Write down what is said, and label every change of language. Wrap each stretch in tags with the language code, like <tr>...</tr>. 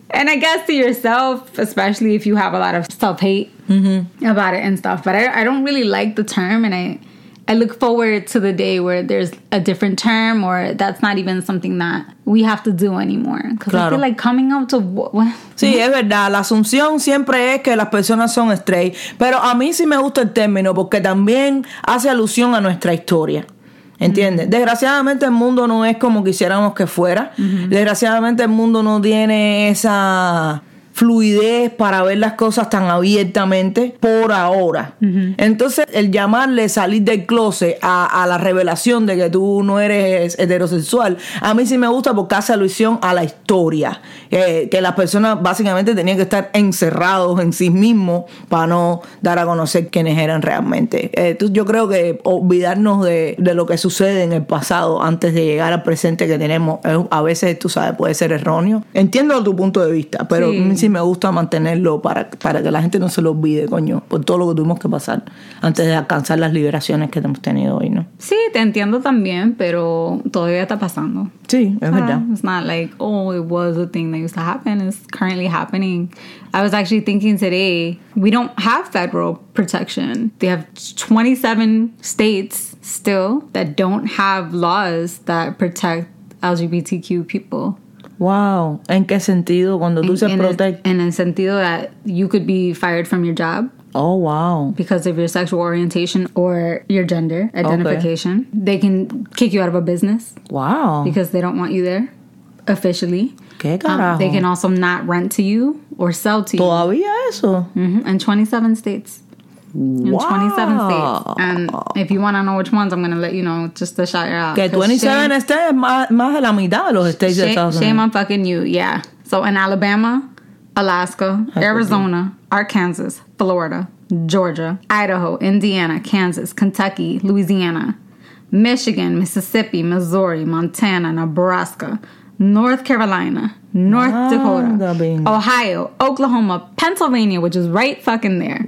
<en>And I guess to yourself, especially if you have a lot of self-hate about it and stuff. But I don't really like the term, and I look forward to the day where there's a different term or that's not even something that we have to do anymore. Because I feel like coming out to...</en> <es>Sí, es verdad. La asunción siempre es que las personas son straight. Pero a mí sí me gusta el término porque también hace alusión a nuestra historia. ¿Entiendes? Mm-hmm. Desgraciadamente el mundo no es como quisiéramos que fuera. Mm-hmm. Desgraciadamente el mundo no tiene esa fluidez para ver las cosas tan abiertamente por ahora. Uh-huh. Entonces, el llamarle salir del closet a la revelación de que tú no eres heterosexual, a mí sí me gusta porque hace alusión a la historia. Que las personas básicamente tenían que estar encerrados en sí mismos para no dar a conocer quiénes eran realmente. Entonces, yo creo que olvidarnos de lo que sucede en el pasado antes de llegar al presente que tenemos, a veces, tú sabes, puede ser erróneo. Entiendo tu punto de vista, pero sí. Sí, me gusta mantenerlo para que la gente no se lo olvide, coño, por todo lo que tuvimos que pasar antes de alcanzar las liberaciones que hemos tenido hoy, ¿no? Sí, te entiendo también, pero todavía está pasando. Sí, es verdad.</es> <en>It's not like, oh, it was a thing that used to happen. It's currently happening. I was actually thinking today, we don't have federal protection. They have 27 states still that don't have laws that protect LGBTQ people.</en> <es>Wow, ¿en qué sentido cuando tú se protege? En el sentido</es> <en>that you could be fired from your job. Oh, wow. Because of your sexual orientation or your gender identification. Okay. They can kick you out of a business. Wow. Because they don't want you there officially.</en> <es>¿Qué carajo?</es> <en>They can also not rent to you or sell to you.</en> <es>¿Todavía eso?</es> <en>Mm-hmm. In 27 states. Wow. In 27 states. And if you want to know which ones, I'm going to let you know just to shout you out.</en> <es>Que 27 states más de la mitad de los states de Estados Unidos.</es> <en>Shame on fucking you, yeah. So in Alabama, Alaska, Arizona, Arkansas, Florida, Georgia, Idaho, Indiana, Kansas, Kentucky, Louisiana, Michigan, Mississippi, Missouri, Montana, Nebraska, North Carolina, North Dakota, Ohio, Oklahoma, Pennsylvania, which is right fucking there.</en>